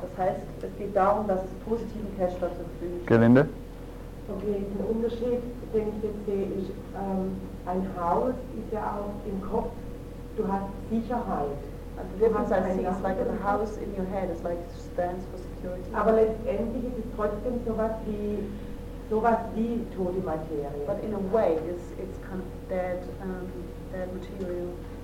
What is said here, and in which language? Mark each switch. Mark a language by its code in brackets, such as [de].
[de] Das heißt, es geht darum, dass es positiven cash flow zur Verfügung steht. Gelinde? Okay, der Unterschied, den ich jetzt sehe, ist, ein Haus ist ja auch im Kopf, du hast Sicherheit. [en] The difference I see is like a house in your head, it's like it stands for security. [de] Aber letztendlich ist es trotzdem so was wie tote Materie. [en] But in a way, it's kind of dead material.